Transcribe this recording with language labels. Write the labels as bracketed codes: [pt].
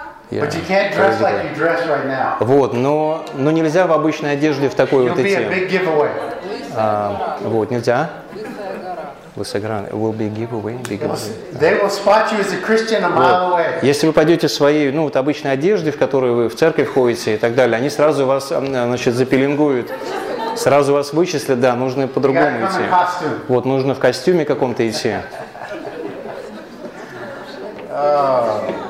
[en] Yeah. But you can't dress like you dress right now. [ru] Вот, но нельзя в обычной одежде в такой вот идти. [en] You'll be a big giveaway. [ru] Вот нельзя. [en] Will be giveaway, They will spot you as a Christian a mile away. [ru] Если вы пойдете в своей, ну, вот обычной одежде, в которой вы в церковь ходите и так далее, они сразу вас, значит, запеленгуют. Сразу вас вычислят, да, нужно по-другому идти. Вот, нужно в костюме каком-то идти. А?